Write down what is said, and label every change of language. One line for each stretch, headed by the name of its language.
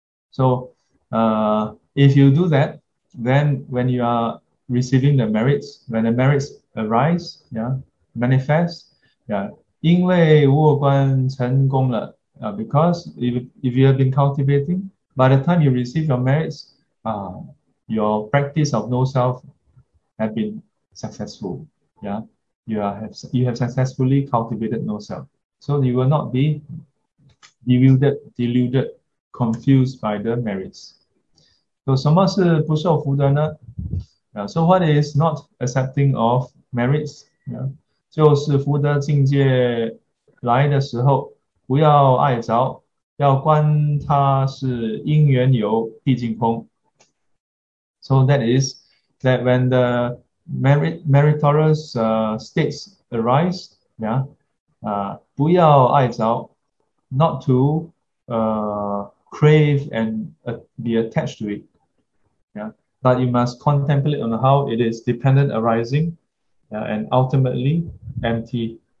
English: So if you do that, then when you are receiving the merits, when the merits arise, yeah, manifest, yeah,
Chinese: 因为物观成功了,
English: because if you have been cultivating, by the time you receive your merits, your practice of no self have been successful. Yeah, you have successfully cultivated no self. So you will not be deluded, confused by the merits.
Chinese: So 什么是不受福德呢?
English: Yeah, so what is not accepting of merits?
Chinese: Yeah, 就是福德境界来的时候不要爱着, 要观它是因缘由毕竟空.
English: So that is that when the meritorious states arise, yeah,
Chinese: 不要爱着,
English: not to crave and be attached to it. Yeah, but you must contemplate on how it is dependent arising, yeah, and ultimately empty.